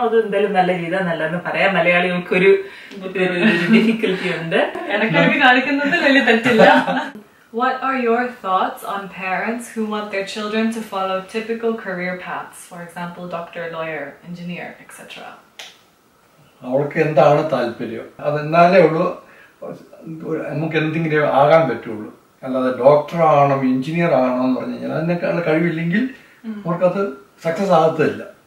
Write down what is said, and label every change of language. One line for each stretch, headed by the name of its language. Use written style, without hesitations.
Malayalam: അത് എന്തായാലും നല്ല രീതി നല്ലതെന്ന് പറയാം. മലയാളികൾക്ക് ഒരു ഡിഫിക്കൽറ്റി ഉണ്ട്, എനിക്ക് കാണിക്കുന്നത് വലിയ തെറ്റില്ല.
English: What are your thoughts on parents who want their children to follow typical career paths, for example, doctor, lawyer, engineer, etc.?
Malayalam: അവർക്ക് എന്താണ് താല്പര്യം? അതെന്നാലേ ഉള്ളൂ നമുക്ക് എന്തെങ്കിലും ആകാൻ പറ്റുള്ളൂ. അല്ലാതെ ഡോക്ടർ ആണോ എഞ്ചിനീയർ ആണോ എന്ന് പറഞ്ഞു കഴിഞ്ഞാൽ അതിനൊക്കെ കഴിവില്ലെങ്കിൽ അവർക്ക് അത് സക്സസ് ആകത്തില്ല.